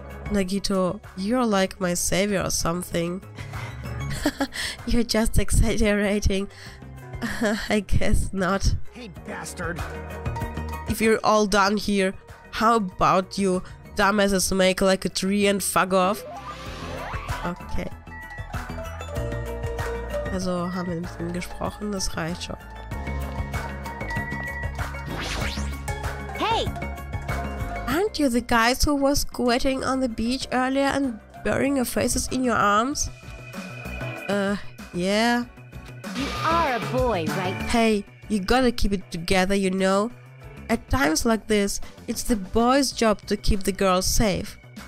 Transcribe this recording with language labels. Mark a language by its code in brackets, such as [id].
[en] Nagito, you're like my savior or something. You're just exaggerating. I guess not. Hey, bastard. If you're all done here, how about you dumbasses make like a tree and fuck off? Okay. [de] Also haben wir mit ihm gesprochen, das reicht schon. [en] Hey! Aren't you the guys who was squatting on the beach earlier and burying your faces in your arms? Yeah. You are a boy, right? Hey, you gotta keep it together, you know? At times like this, it's the boy's job to keep the girls safe.